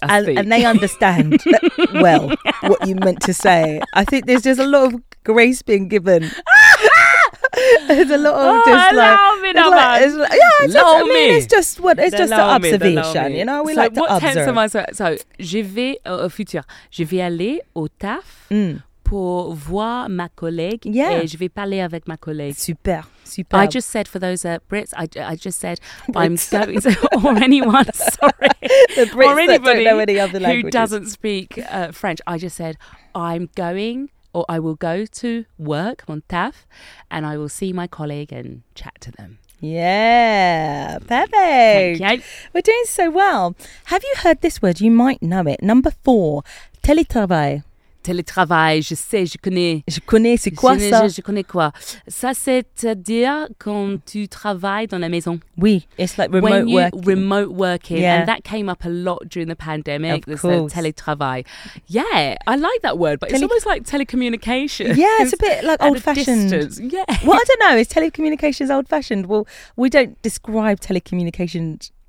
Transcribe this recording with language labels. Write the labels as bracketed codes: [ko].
[en] And they understand well what you meant to say. I think there's just a lot of grace being given. There's a lot of it's just an observation, you know. We so like to observe. What tense am I? So [fr] je vais au futur. Je vais aller au taf pour voir ma collègue. [en] Yeah. [fr] Et je vais parler avec ma collègue. Super, super. [en] I just said for those Brits. I just said Brits. I'm going to, or anyone. Sorry, the Brits or anybody that don't know any other languages. Who doesn't speak French. I just said I'm going. Or I will go to work on TAF and I will see my colleague and chat to them. Yeah, perfect. Thank you. We're doing so well. Have you heard this word? You might know it. Number four, télétravail. [fr] télétravail, je sais, je connais. Je connais, c'est quoi je ça connais, je connais quoi. Ça, c'est-à-dire quand tu travailles dans la maison. [en] Oui, it's like remote working. When you remote working. Yeah. And that came up a lot during the pandemic. Of course. [fr] Télétravail. [en] Yeah, I like that word, but it's almost like telecommunication. Yeah, it's a bit like old-fashioned. Distance. Yeah. Well, I don't know. Is telecommunications old-fashioned? Well, we don't describe telecommunications